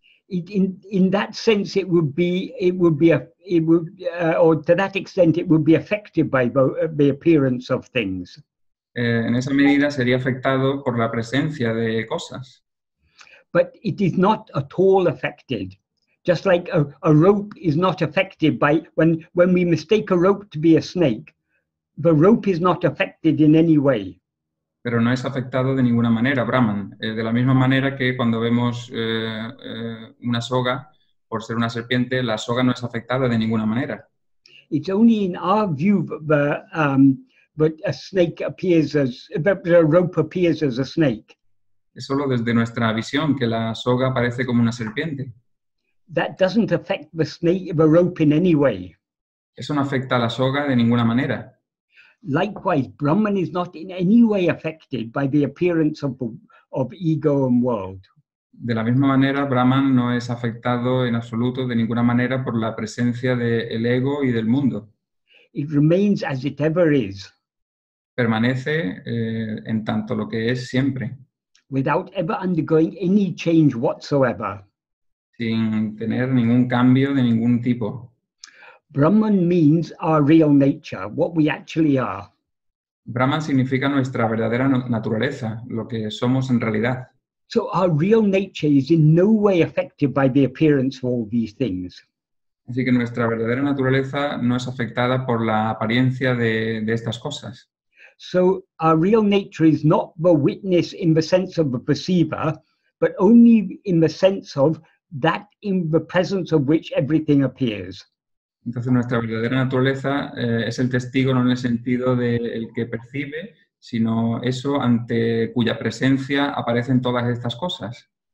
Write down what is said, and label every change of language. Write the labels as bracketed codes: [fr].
[en] In that sense, or to that extent, it would be affected by the appearance of things. [es] En esa medida sería afectado por la presencia de cosas. [en] But it is not at all affected, just like a rope is not affected by when we mistake a rope to be a snake, the rope is not affected in any way. [es] Pero no es afectado de ninguna manera, Brahman. De la misma manera que cuando vemos una soga por ser una serpiente, la soga no es afectada de ninguna manera. [en] It's only in our view that a snake appears as a rope appears as a snake. [es] Es solo desde nuestra visión que la soga aparece como una serpiente. [en] That doesn't affect the snake, the rope in any way. [es] Eso no afecta a la soga de ninguna manera. [en] Likewise, Brahman is not in any way affected by the appearance of ego and world. [es] De la misma manera, Brahman no es afectado en absoluto de ninguna manera por la presencia del ego y del mundo. [en] It remains as it ever is. [es] Permanece en tanto lo que es siempre. [en] Without ever undergoing any change whatsoever. [es] sin tener ningún cambio de ningún tipo. [en] Brahman means our real nature, what we actually are. [es] Brahman significa nuestra verdadera naturaleza, lo que somos en realidad. [en] So our real nature is in no way affected by the appearance of all these things. [es] Así que nuestra verdadera naturaleza no es afectada por la apariencia de estas cosas. [en] So our real nature is not the witness in the sense of the perceiver, but only in the sense of that in the presence of which everything appears. [es] Entonces nuestra verdadera naturaleza es el testigo no en el sentido del que percibe, sino eso ante cuya presencia aparecen todas estas cosas.